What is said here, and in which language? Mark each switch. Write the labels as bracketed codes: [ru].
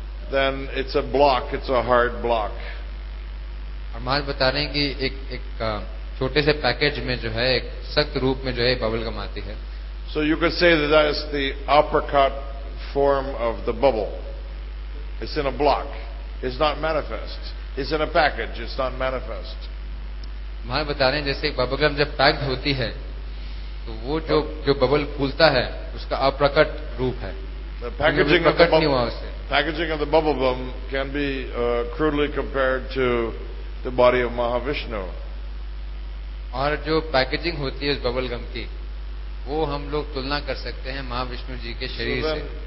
[en] Then it's a block, it's a hard block. [hi] और मैं बता रहे हैं कि एक छोटे से पैकेज में जो है एक सख्त रूप में जो है बबल गम आती है. [en] So you could say that is the apricot form of the bubble. It's in a block. It's not manifest. It's in a package. It's not manifest. [hi] मैं बता रहे हैं जैसे बबल गम जब पैक्ड होती है तो वो जो जो बबल फूलता है उसका अप्रकट रूप है [en] The packaging of the bubble, packaging of the bubble gum can be crudely compared to the body of Mahavishnu. [hi] और जो packaging होती है इस bubble gum की, वो हम लोग तुलना कर सकते हैं महाविष्णु जी के शरीर से.